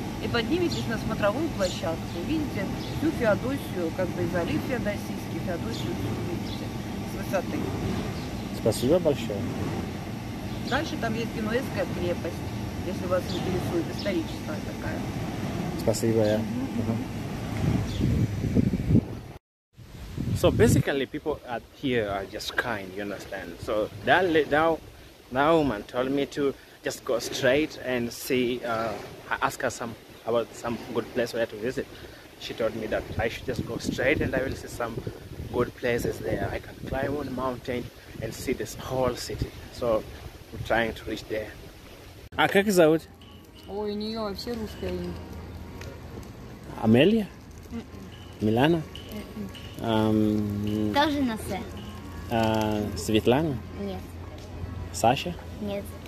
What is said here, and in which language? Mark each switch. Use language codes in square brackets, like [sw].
[ru] И подниметесь на смотровую площадку, видите всю Феодосию, как бы залив Феодосийский, Феодосию всю видите, с высоты. Спасибо большое. Дальше там есть Генуэзская крепость, если вас интересует, историческая такая. Спасибо, я. [en] So basically, people out here are just kind, you understand? So that woman told me to just go straight and see, ask her about some good place where to visit. She told me that I should just go straight and I will see some good places there. I can climb on a mountain and see this whole city. So I'm trying to reach there. [ru] А как зовут? Ой, у неё вообще русское имя. Амелия? Милана? Тоже на С. Светлана? Нет. Саша? Нет.